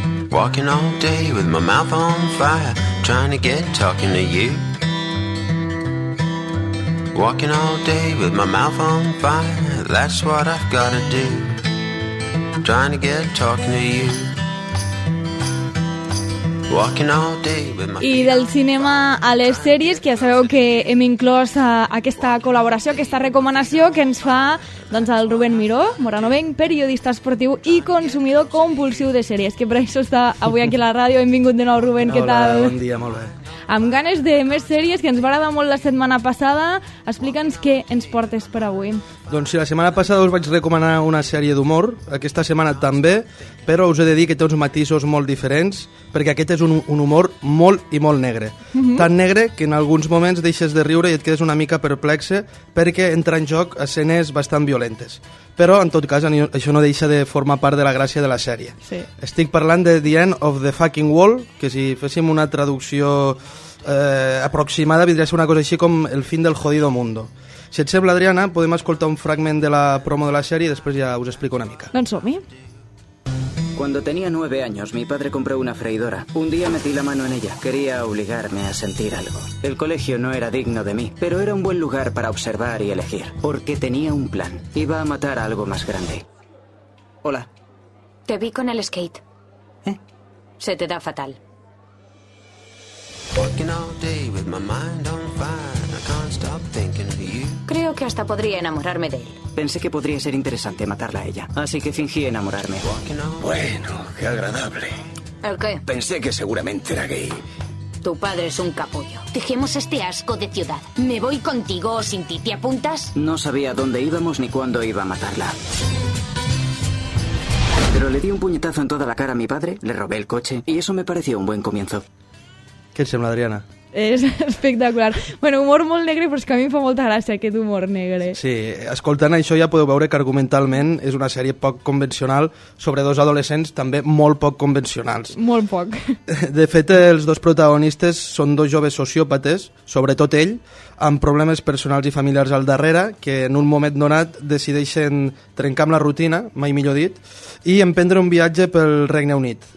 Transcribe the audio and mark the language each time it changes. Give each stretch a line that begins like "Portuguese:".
English: Walking all day with my mouth on fire, trying to get talking to you. Walking all day with my mouth on fire, that's what I've gotta do. Trying to get talking to you.
Catalan: I del cinema a les sèries, que ja sabeu que hem inclòs aquesta col·laboració, aquesta recomanació que ens fa doncs, el Rubén Miró, moranovenc, periodista esportiu i consumidor compulsiu de sèries, que per això està avui aquí a la ràdio. Benvingut de nou, Rubén, hola, què tal? Hola, bon dia, molt bé. Amb ganes de més sèries, que ens va agradar molt la setmana passada. Explica'ns què ens portes per avui. Doncs sí, la setmana passada us vaig recomanar una sèrie d'humor, aquesta setmana també, però us he de dir que té uns matisos molt diferents, perquè aquest és un humor molt i molt negre. Uh-huh. Tan negre que en alguns moments deixes de riure i et quedes una mica perplexe perquè entra en joc escenes bastant violentes. Però, en tot cas, això no deixa de formar part de la gràcia de la sèrie. Sí. Estic parlant de The End of the Fucking Wall, que si féssim una traducció aproximada, vindria a ser una cosa així com El fin del jodido mundo. Si et sembla, Adriana, podem escoltar un fragment de la promo de la sèrie i després ja us explico una mica. Doncs som-hi.
Spanish: Cuando tenía 9 años, mi padre compró una freidora. Un día metí la mano en ella. Quería obligarme a sentir algo. El colegio no era digno de mí, pero era un buen lugar para observar y elegir. Porque tenía un plan. Iba a matar a algo más grande. Hola. Te vi con el skate. ¿Eh? Se te da fatal. Creo que hasta podría enamorarme de él. Pensé que podría ser interesante matarla a ella, así que fingí enamorarme. Bueno, qué agradable. ¿El qué? Pensé que seguramente era gay. Tu padre es un capullo. Dejemos este asco de ciudad. ¿Me voy contigo o sin ti? ¿Te apuntas? No sabía dónde íbamos ni cuándo iba a matarla. Pero le di un puñetazo en toda la cara a mi padre, le robé el coche y eso me pareció un buen comienzo. ¿Qué se llama Adriana?
Catalan: És espectacular. Bueno, humor molt negre, però és que a mi em fa molta gràcia aquest humor negre. Sí, escoltant això ja podeu veure que argumentalment és una sèrie poc convencional sobre dos adolescents també molt poc convencionals. Molt poc. De fet, els dos protagonistes són dos joves sociòpates, sobretot ell, amb problemes personals i familiars al darrere, que en un moment donat decideixen trencar amb la rutina, mai millor dit, i emprendre un viatge pel Regne Unit.